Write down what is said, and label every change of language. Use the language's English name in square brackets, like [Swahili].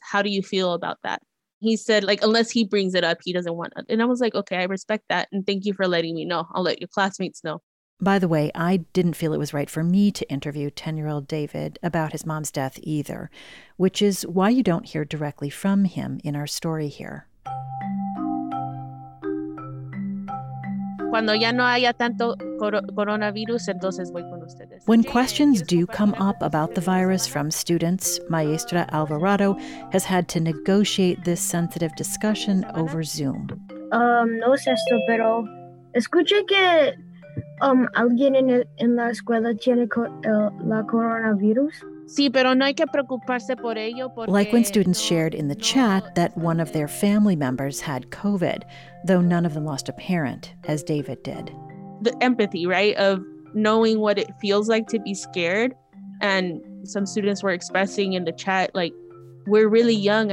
[English] How do you feel about that? He said, like, unless he brings it up, he doesn't want it. And I was like, okay, I respect that. And thank you for letting me know. I'll let your classmates know. By the way, I didn't feel it was right for me to interview 10-year-old David about his mom's death either, which is why you don't hear directly from him in our story here. [Spanish] Cuando ya no haya tanto coronavirus, entonces voy con ustedes. [English] When questions do come up about the virus from students, Maestra Alvarado has had to negotiate this sensitive discussion over Zoom. [Spanish] No, sister, pero escuché que alguien en la escuela tiene la coronavirus. Sí, pero no hay que preocuparse por ello porque... [English] Like when students shared in the chat that one of their family members had COVID, though none of them lost a parent, as David did. The empathy, right, of knowing what it feels like to be scared. And some students were expressing in the chat, like, we're really young.